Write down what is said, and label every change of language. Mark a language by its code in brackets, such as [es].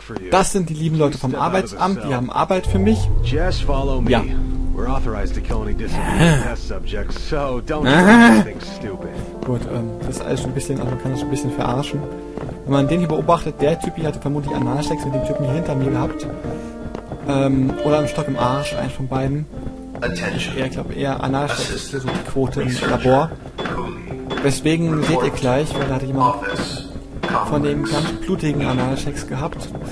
[de] Das sind die lieben Leute vom Arbeitsamt, die haben Arbeit für mich. [en] Just follow me. [de] Ja. [en] We're authorized to kill any disobedient test subjects, so don't do anything stupid. [de] Gut, das ist alles ein bisschen, also man kann das ein bisschen verarschen. Wenn man den hier beobachtet, der Typ hier hatte vermutlich Analsex mit dem Typen hier hinter mir gehabt. Oder im Stock im Arsch, eins von beiden. Ich glaube eher Analsex ist so die Quote im Labor. Weswegen seht ihr gleich, weil da hatte jemand von dem ganz blutigen Analsex gehabt.